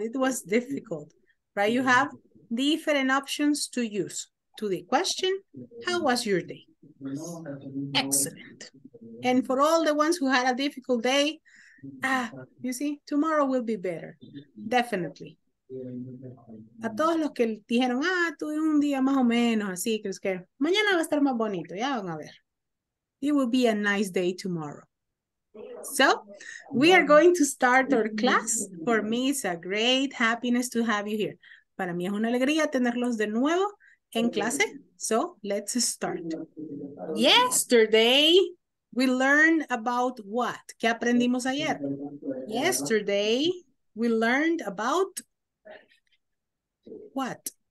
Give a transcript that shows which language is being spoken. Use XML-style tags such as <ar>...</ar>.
<en>It was difficult, right? You have different options to use to the question, how was your day? Excellent. And for all the ones who had a difficult day, you see, tomorrow will be better. Definitely.</en> <es>A todos los que dijeron, tuve un día más o menos, así, que es que mañana va a estar más bonito, ya van a ver.</es> <en>It will be a nice day tomorrow. So, we are going to start our class. For me, it's a great happiness to have you here.</en> <es>Para mí es una alegría tenerlos de nuevo en clase.</es> <en>So, let's start. Yesterday, we learned about what?</en> <es>¿Qué aprendimos ayer?</es> <en>Yesterday, we learned about what?</en>